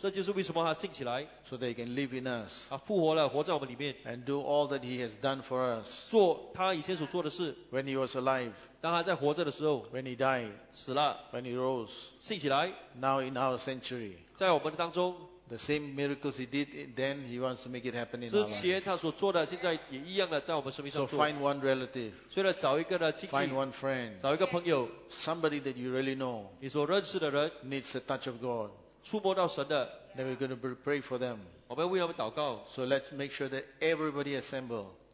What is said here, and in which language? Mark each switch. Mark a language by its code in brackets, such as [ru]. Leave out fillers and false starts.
[zh] 这就是为什么他兴起来。 [en] So they can live in us. [zh] 他复活了，活在我们里面。 [en] And do all that he has done for us. [zh] 做他以前所做的事。 [en] When he was alive. [zh] 当他在活着的时候。 [en] When he died. [zh] 死了。 [en] When he rose. [zh] 兴起来。 [en] Now in our century. [zh] 在我们当中 [en] the same miracles he did then he wants to make it happen in our life [zh] 之前他所做的现在也一样的在我们生命上做 [en] so find one relative [zh] 所以找一个的亲戚 [en] find one friend [zh] 找一个朋友 [en] somebody that you really know [zh] 你所认识的人 [en] needs a touch of God [zh] 触摸到神的 [en] then we're going to pray for them [zh] 我们为他们祷告 [en] so let's make sure that everybody assemble